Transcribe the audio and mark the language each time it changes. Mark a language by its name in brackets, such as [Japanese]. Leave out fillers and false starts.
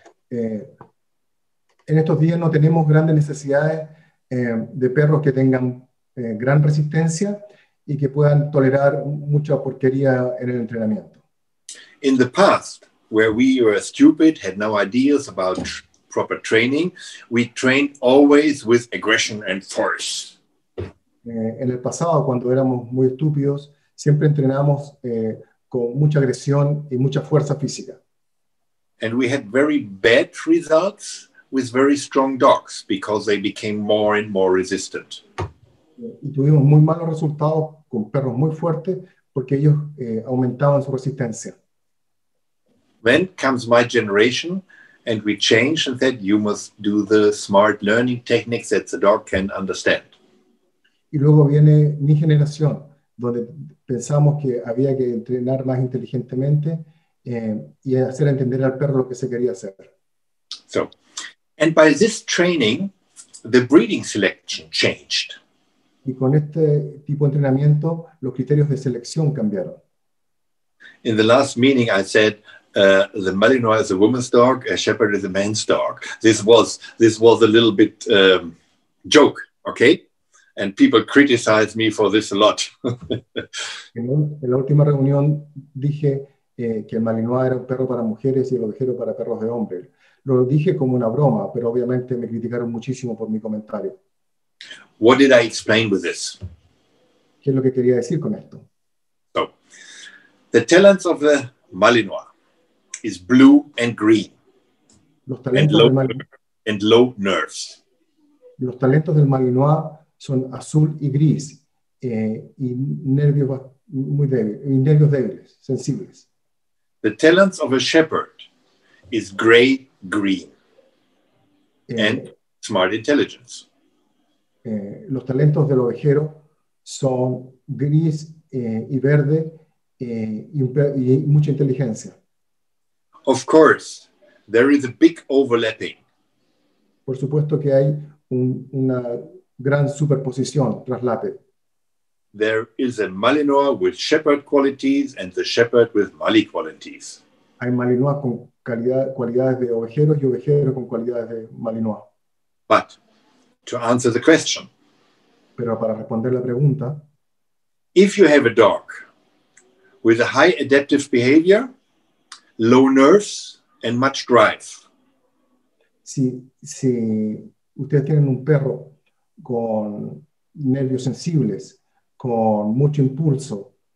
[Spanish] En estos días no tenemos grandes necesidades de perros que tengan gran resistencia y que puedan tolerar mucha porquería en el entrenamiento. [English] In the past, where we were stupid, had no ideas about proper training, we trained always with aggression and force. [Spanish] En el pasado, cuando éramos muy estúpidos, siempre entrenamos con mucha agresión y mucha fuerza física. [English] And we had very bad results with very strong dogs because they became more and more resistant. [Spanish] Y tuvimos muy malos resultados con perros muy fuertes porque ellos aumentaban su resistencia. [English] Then comes my generation and we changed and said you must do the smart learning techniques that the dog can understand. [Spanish] Y luego viene mi generación donde pensamos que había que entrenar más inteligentemente y hacer entender al perro lo que se quería hacer. [English] So, and by this training, the breeding selection changed. [Spanish] Y con este tipo de entrenamiento, los criterios de selección cambiaron. [English] In the last meeting, I said the Malinois is a woman's dog, a Shepherd is a man's dog. This was a little bit joke, okay? And people criticized me for this a lot. [Spanish] En la última reunión dije que el Malinois era un perro para mujeres y el ovejero para perros de hombres. Lo dije como una broma, pero obviamente me criticaron muchísimo por mi comentario. [English] What did I explain with this? [Spanish] ¿Qué es lo que quería decir con esto? [English] So, the talents of the Malinois is blue and green. [Spanish] Los talentos del Malinois [English] and low nerves. [Spanish] Los talentos del Malinois son azul y gris y nervios muy débiles, y nervios débiles, sensibles. [English] The talents of a Shepherd is gray, green and smart intelligence. [Spanish] Los talentos del ovejero son gris y verde y mucha inteligencia. [English] Of course, there is a big overlapping. [Spanish] Por supuesto que hay una gran superposición, traslape. [English] There is a Malinois with Shepherd qualities and the Shepherd with Mali qualities. [Spanish] Hay Malinois con cualidades de ovejeros y ovejeros con cualidades de Malinois. [English] But to answer the question. [Spanish] Pero para responder la pregunta, [English] If you have a dog with a high adaptive behavior, low nerves, and much drive. [Spanish] Si ustedes tienen un perro con nervios sensibles, con mucho impulso.